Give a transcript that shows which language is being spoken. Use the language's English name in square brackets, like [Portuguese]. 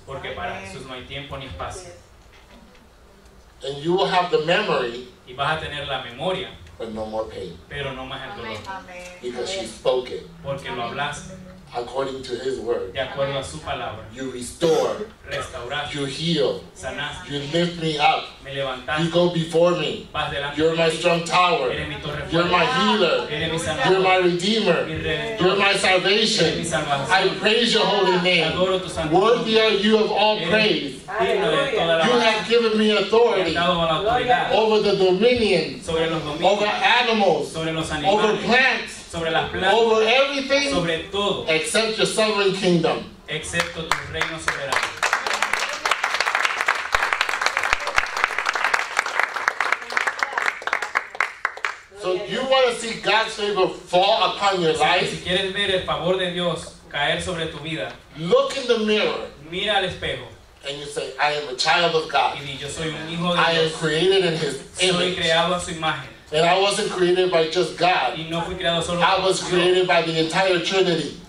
[Spanish] Porque para Jesús no hay tiempo ni espacio. [English] And you will have the memory. [Spanish] Y vas a tener la memoria. [English] But no more pain. [Spanish] Pero no más el dolor. Amen. [English] Because you spoke it. [Spanish] Porque lo hablaste. [English] According to His word. [Spanish] De acuerdo a su palabra. [English] You restore. [Spanish] Restauraste. [English] You heal. [Spanish] Sanaste. [English] You lift me up. [Spanish] Me levantaste. [English] You go before me. [Spanish] Vas delante. [English] You're my strong tower. [Spanish] Eres mi torre fuerte. [English] You're my healer. [Spanish] Eres mi sanador. [English] You're my redeemer. [Spanish] Mi redentor. [English] You're my salvation. [Spanish] Eres mi salvación. [English] I praise your holy name. [Spanish] Adoro tu santo. [English] Worthy are you of all praise. You have given me authority over the dominion, [Spanish] sobre los dominios, [English] over animals, [Spanish] sobre los animales, [English] over plants, [Spanish] sobre las plantas, [English] over everything, [Spanish] sobre todo, [English] except your sovereign kingdom. [Spanish] Excepto tu reino soberano. [English] So you want to see God's favor fall upon your life? [Spanish] Si quieres ver el favor de Dios caer sobre tu vida, [English] look in the mirror. [Spanish] Mira al espejo. [English] And you say, I am a child of God. [Spanish] Y yo soy un hijo de [English] I [Spanish] Dios. [English] Am created in His image. [Spanish] Soy creado a su imagen. [English] And I wasn't created by just God. [Spanish] Y no fui creado solo [English] I was created by the entire Trinity.